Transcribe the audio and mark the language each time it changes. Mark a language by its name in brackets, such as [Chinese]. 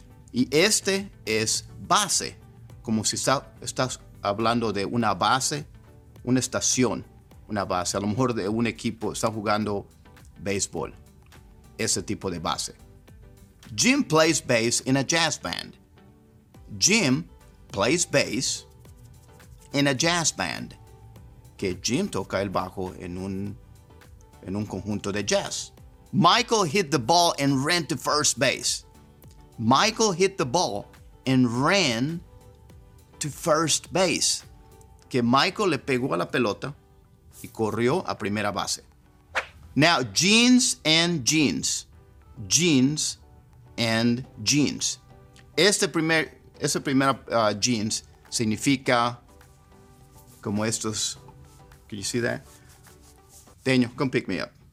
[Spanish] Y este es base, como si estás hablando de una base, una estación, una base. A lo mejor de un equipo, está jugando béisbol. Ese tipo de base. [English] Jim plays bass in a jazz band. Jim plays bass in a jazz band. [Spanish] Que Jim toca el bajo en un conjunto de jazz. [English] Michael hit the ball and ran to first base. Michael hit the ball and ran to first base. [Spanish] Que Michael le pegó a la pelota y corrió a primera base. [English] Now, jeans and jeans. Jeans and jeans. [Spanish] Esa primera jeans significa como estos. [English] Can you see that? Daniel, come pick me up.